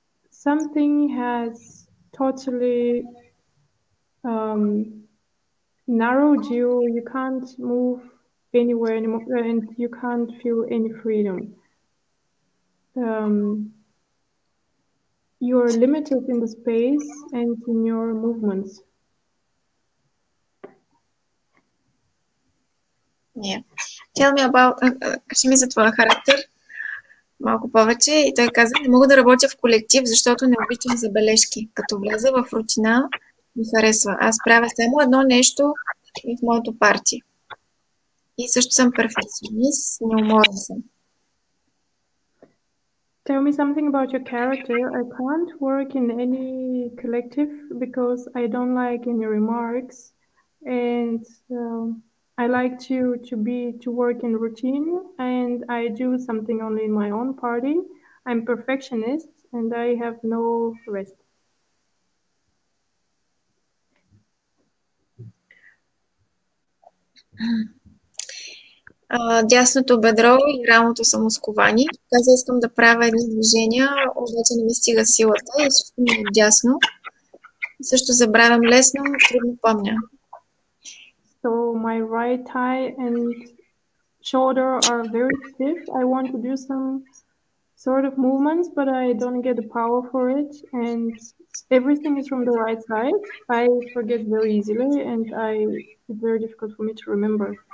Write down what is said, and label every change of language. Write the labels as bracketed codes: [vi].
[en] Something has totally narrowed you. You can't move anywhere anymore, and you can't feel any freedom. You are limited in the space and in your movements. Yeah. Tell me about [bg] кажи ми за твоя характер малко повече. И той каза, не мога да работя в колектив, защото не обичам забележки. Като вляза в рутина, ми харесва. Аз правя само едно нещо и в моето парти. И също съм перфекционист, неуморен съм. [en] Tell me something about your character. I can't work in any collective because I don't like any remarks. And I like to work in routine and I do something only in my own party. I'm perfectionist and I have no rest. [bg] Дясното бедро и рамото са мускувани. Каза, искам да правя едни движения, обаче не ми стига силата и също ми е дясно. Също забравям лесно, трудно помня. [en] So my right thigh and shoulder are very stiff. I want to do some sort of movements, but I don't get the power for it. And everything is from the right side. I forget very easily and it's very difficult for me to remember.